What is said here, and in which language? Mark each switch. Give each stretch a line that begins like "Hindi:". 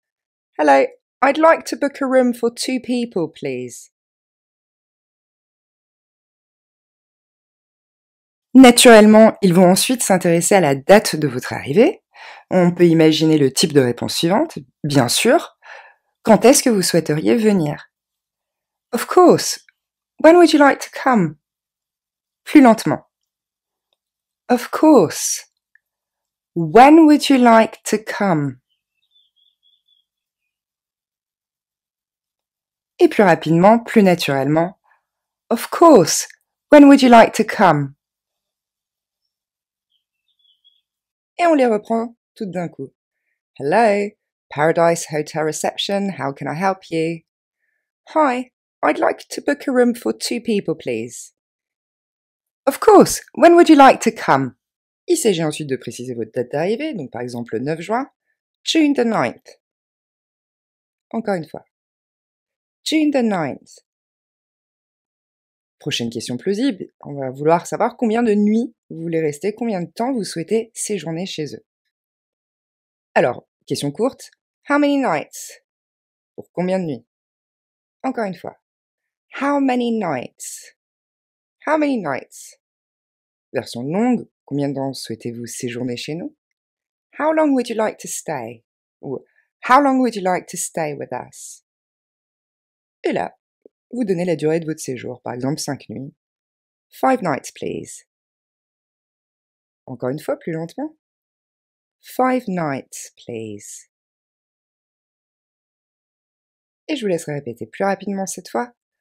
English: « Hello, I'd like to book a room for two people, please.
French: » Naturellement, ils vont ensuite s'intéresser à la date de votre arrivée. On peut imaginer le type de réponse suivante. Bien sûr, quand est-ce que vous souhaiteriez venir?
English: Of course, when would you like to come?
French: Plus lentement.
English: Of course, when would you like to come?
French: Et plus rapidement, plus naturellement.
English: Of course, when would you like to come?
French: Et on les reprend tout d'un coup.
English: Hello, Paradise Hotel Reception, how can I help you? Hi, I'd like to book a room for two people, please. Of course, when would you like to come?
French: Il s'agit ensuite de préciser votre date d'arrivée, donc par exemple le 9 juin.
English: June the 9th.
French: Encore une fois. June the 9th. Prochaine question plausible, on va vouloir savoir combien de nuits vous voulez rester, combien de temps vous souhaitez séjourner chez eux. Alors, question courte,
English: how many nights?
French: Pour combien de nuits? Encore une fois,
English: how many nights? How many nights?
French: Version longue, combien de temps souhaitez-vous séjourner chez nous?
English: How long would you like to stay? Ou how long would you like to stay with us?
French: Et là, vous donnez la durée de votre séjour, par exemple 5 nuits.
English: 5 nights, please.
French: Encore une fois, plus lentement.
English: 5 nights, please.
French: Et je vous laisserai répéter plus rapidement cette fois.